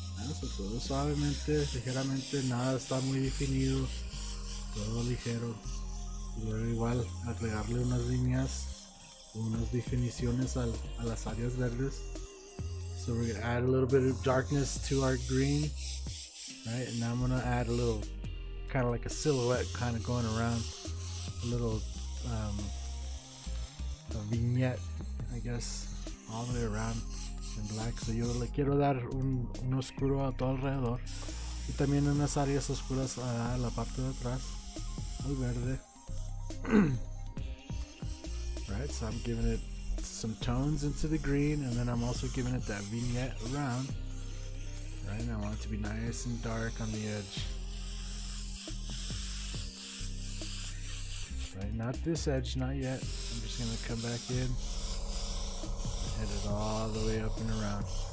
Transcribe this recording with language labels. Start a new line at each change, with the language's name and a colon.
Spanish: Eso, todo suavemente, ligeramente, nada está muy definido. Todo ligero. Pero igual, agregarle unas líneas, unas definiciones a las áreas verdes.
English: So we're gonna add a little bit of darkness to our green. Right, and now I'm gonna add a little kind of like a silhouette kind of going around a little a vignette, I guess, all the way around in black.
Spanish: So yo le quiero dar un oscuro a todo alrededor y también unas áreas oscuras a la parte de atrás, muy verde.
English: Right, so I'm giving it some tones into the green and then I'm also giving it that vignette around. Right, and I want it to be nice and dark on the edge. Right, not this edge, not yet. I'm just gonna come back in and head it all the way up and around.